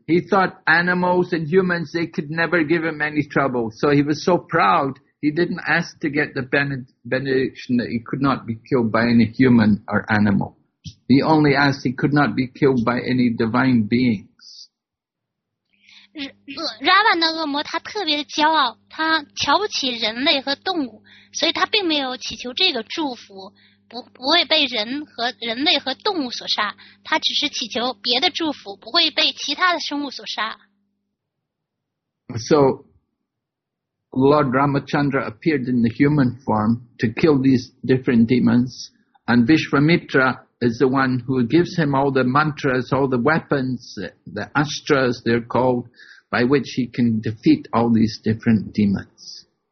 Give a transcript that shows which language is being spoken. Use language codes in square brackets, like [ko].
[en] He thought animals and humans, they could never give him any trouble. So he was so proud, he didn't ask to get the benediction that he could not be killed by any human or animal. He only asked he could not be killed by any divine being. [zh] Ravana 恶魔他特别的骄傲，他瞧不起人类和动物，所以他并没有祈求这个祝福，不会被人类和动物所杀，他只是祈求别的祝福，不会被其他的生物所杀。 [en] So Lord Ramachandra appeared in the human form to kill these different demons, and Vishwamitra is the one who gives him all the mantras, all the weapons, the astras they're called, by which he can defeat all these different demons.